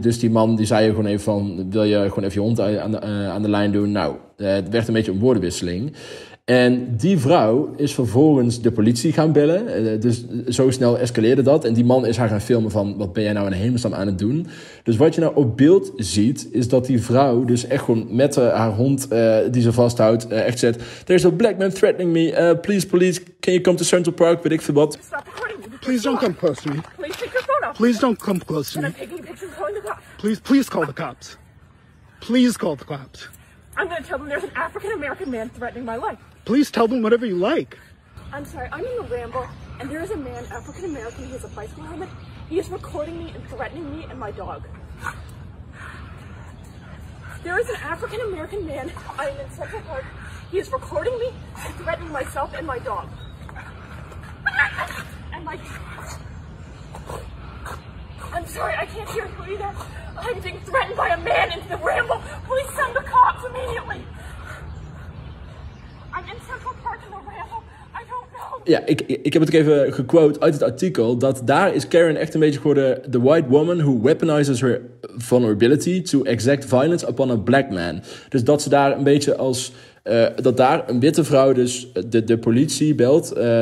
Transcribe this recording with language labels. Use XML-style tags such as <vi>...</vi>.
<nl>Dus die man die zei gewoon even van, wil je gewoon even je hond aan de lijn doen? Nou, het werd een beetje een woordenwisseling. En die vrouw is vervolgens de politie gaan bellen. Dus zo snel escaleerde dat. En die man is haar gaan filmen van... wat ben jij nou in hemelsnaam aan het doen? Dus wat je nou op beeld ziet... is dat die vrouw dus echt gewoon met haar hond... die ze vasthoudt, echt zegt...</nl> <en>There's a black man threatening me. Please, police, can you come to Central Park?</en> <nl>Weet ik veel wat.</nl> <en>Please don't come close to me. Please don't come close to me. Please, please call the cops. Please call the cops. I'm going to tell them there's an African-American man threatening my life. Please tell them whatever you like. I'm sorry, I'm in the ramble, and there is a man, African-American, who has a bicycle helmet. He is recording me and threatening me and my dog. There is an African-American man, I am in Central Park. He is recording me and threatening myself and my dog. And my... I'm sorry, I can't hear you either. I'm being threatened by a man into the ramble. Please send the cops immediately. I'm in Central Park in the ramble.</en> <nl>Ja, ik heb het ook even gequote uit het artikel. Dat daar is Karen echt een beetje geworden...</nl> <en>The white woman who weaponizes her vulnerability... to exact violence upon a black man.</en> <nl>Dus dat ze daar een beetje als... dat daar een witte vrouw dus de politie belt...</nl>